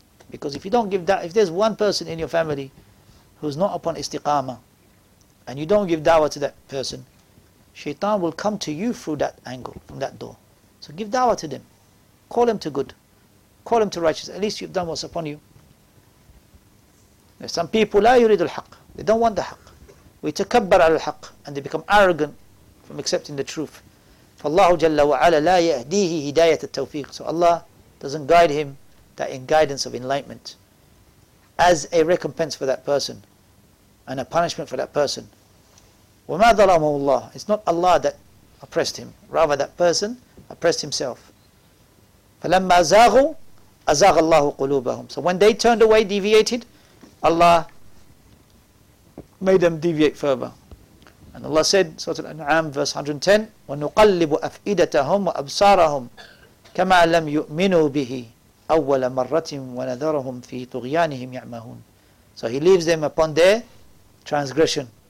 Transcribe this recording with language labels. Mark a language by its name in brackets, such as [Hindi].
[English] Because if you don't give da'wah, if there's one person in your family who's not upon istiqamah, and you don't give da'wah to that person, shaitan will come to you through that angle, from that door. So give da'wah to them. Call them to good. Call them to righteousness. At least you've done what's upon you. There's some people, [Arabic] لا يريد الحق. [English] They don't want the haq. We [Arabic] تكبر على الحق. [English] And they become arrogant from accepting the truth. [Arabic] فالله جل وعلا لا يهديه هداية التوفيق. [English] So Allah doesn't guide him that in guidance of enlightenment. As a recompense for that person. And a punishment for that person. [Arabic] وما ظلمه الله. [English] It's not Allah that oppressed him. Rather that person oppressed himself. [Arabic] فلما زاغوا أزاغ الله قلوبهم. [English] So when they turned away, deviated, Allah made them deviate further. And Allah said, Surah Al-An'am, verse 110, [Arabic] وَنُقَلِّبُ أَفْئِدَتَهُمْ وَأَبْصَارَهُمْ كَمَا لَمْ يُؤْمِنُوا بِهِ أَوَّلَ مَرَّةٍ وَنَذَرَهُمْ فِي طُغْيَانِهِمْ يَعْمَهُونَ. [English] So He leaves them upon their transgression.